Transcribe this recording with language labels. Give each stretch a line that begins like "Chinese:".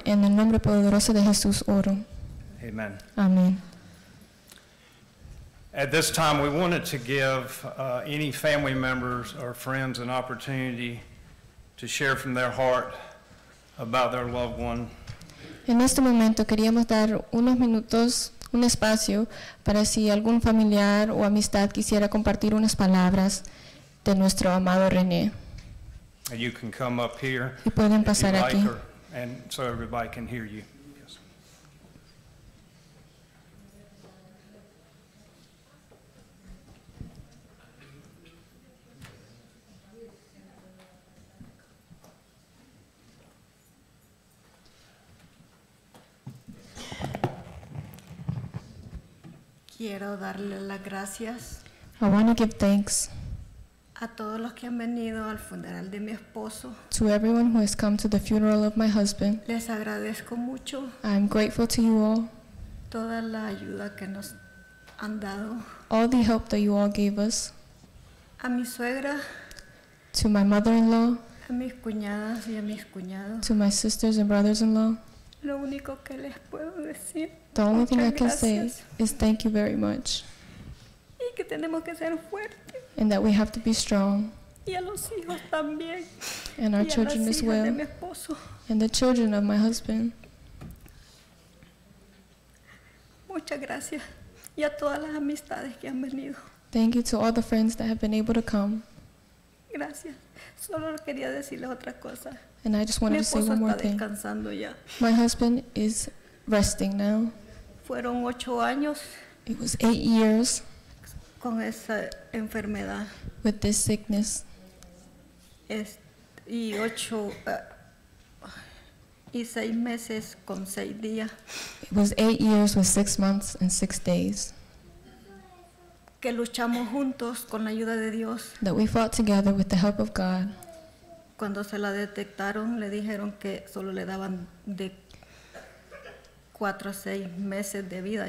Spanish: En el nombre poderoso de Jesús oro. Amen. Amen.
English: At this time, we wanted to give any family members or friends an opportunity to share from their heart about their loved one.
Spanish: En este momento queríamos dar unos minutos, un espacio, para si algún familiar o amistad quisiera compartir unas palabras de nuestro amado René.
English: And you can come up here
Spanish: y pueden pasar
English: if you like, Or, and so everybody can hear you. Yes.
Spanish: Quiero darle las gracias.
English: I want to give thanks.
Spanish: A todos los que han venido al funeral de mi esposo.
English: To everyone who has come to the funeral of my husband.
Spanish: Les agradezco mucho.
English: I'm grateful to you all.
Spanish: Toda la ayuda que nos han dado.
English: All the help that you all gave us.
Spanish: A mi suegra.
English: To my mother-in-law.
Spanish: A mis cuñadas y a mis cuñados.
English: To my sisters and brothers-in-law.
Spanish: Lo único que les puedo decir.
English: The only thing
Spanish: gracias.
English: I can say is thank you very much.
Spanish: Y que tenemos que ser fuertes.
English: And that we have to be strong.
Spanish: Y a los hijos también.
English: And our
Spanish: y a
English: children
Spanish: las hijas
English: as well.
Spanish: De mi esposo.
English: And the children of my husband.
Spanish: Muchas gracias. Y a todas las amistades que han venido.
English: Thank you to all the friends that have been able to come.
Spanish: Gracias. Solo quería decirles otra cosa.
English: And I just wanted
Spanish: mi esposo
English: to say one more
Spanish: está descansando
English: thing.
Spanish: Ya.
English: My husband is resting now.
Spanish: Fueron 8 años.
English: It was 8 years.
Spanish: Con esa enfermedad.
English: With this sickness.
Spanish: Y 8 y 6 meses con 6 días.
English: It was 8 years with 6 months and 6 days.
Spanish: Que luchamos juntos con la ayuda de Dios.
English: That we fought together with the help of God.
Spanish: Cuando se la detectaron, le dijeron que solo le daban de 4 a 6 meses de vida.